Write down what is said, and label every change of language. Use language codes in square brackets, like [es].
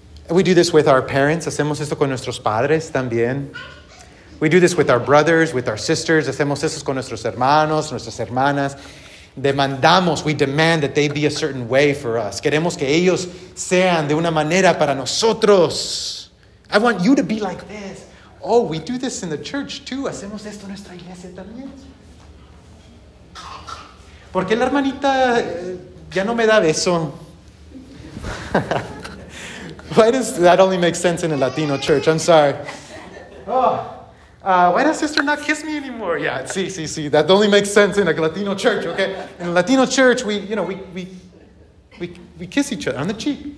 [en] We do this with our parents. [es] Hacemos esto con nuestros padres también. [en] We do this with our brothers, with our sisters. [es] Hacemos esto con nuestros hermanos, nuestras hermanas. Demandamos, [en] we demand that they be a certain way for us. [es] Queremos que ellos sean de una manera para nosotros. [en] I want you to be like this. Oh, we do this in the church too. [es] Hacemos esto en nuestra iglesia también. ¿Por qué la hermanita ya no me da beso? [en] Why does that only make sense in a Latino church? I'm sorry. Why does sister not kiss me anymore? Yeah, sí. That only makes sense in a Latino church, okay? In a Latino church, we kiss each other on the cheek.